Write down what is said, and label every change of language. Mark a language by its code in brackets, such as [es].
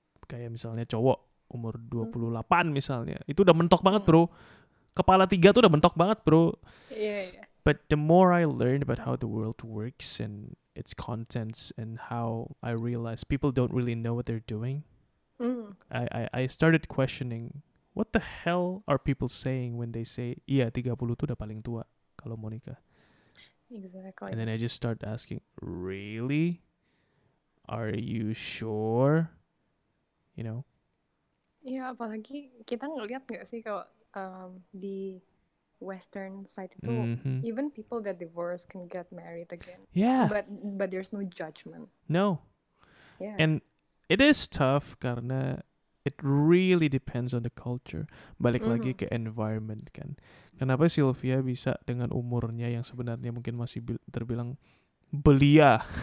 [id] Kayak misalnya cowok umur 28 misalnya, itu udah mentok banget bro. Kepala tiga tuh udah mentok banget, bro. [en] Yeah. But the more I learn about how the world works and its contents and how I realize people don't really know what they're doing, I started questioning, what the hell are people saying when they say, [id] iya, 30 tuh udah paling tua kalau mau nikah. [en] Exactly. And then I just start asking, really? Are you sure? You know? Yeah, [id] apalagi kita ngeliat gak sih kalau di [en] Western side itu, even people that divorce can get married again. Yeah. But there's no judgment. No. Yeah. And it is tough [id] karena [en] it really depends on the culture. [id] Balik lagi ke environment kan. Kenapa Sylvia bisa dengan umurnya yang sebenarnya mungkin masih terbilang belia?